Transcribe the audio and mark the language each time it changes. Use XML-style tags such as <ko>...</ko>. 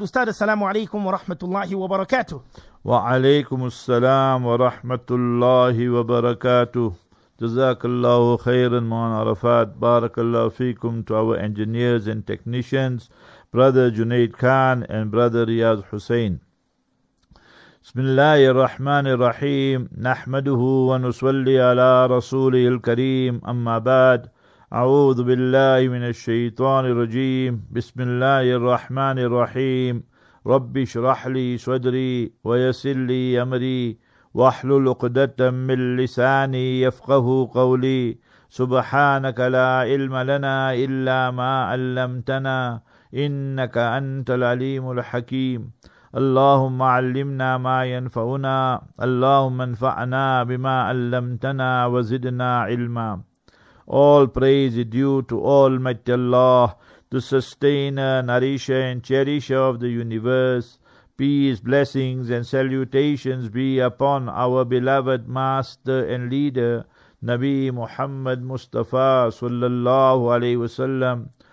<ar>Ustad, السلام عليكم ورحمة الله وبركاته. وعليكم السلام ورحمة الله وبركاته. Jazakallahu khairan, Mawlana Arafat. Barakallahu feekum</ar> <en>to our engineers and technicians, Brother Junaid Khan and Brother Riyaz Hussain.</en> <ar>Bismillahir Rahmanir Rahim. Nahmaduhu wa nusalli ala Rasulihil Kareem. Amma ba'd. أعوذ بالله من الشيطان الرجيم بسم الله الرحمن الرحيم رب اشرح لي صدري ويسر لي أمري واحلل عقدة من لساني يفقه قولي سبحانك لا علم لنا إلا ما علمتنا إنك أنت العليم الحكيم اللهم علمنا ما ينفعنا اللهم انفعنا بما علمتنا وزدنا علما.</ar> <en>All praise is due to Almighty Allah, the sustainer, nourisher, and cherisher of the universe. Peace, blessings, and salutations be upon our beloved master and leader, Nabi Muhammad Mustafa sallallahu alaihi wasallam.</en>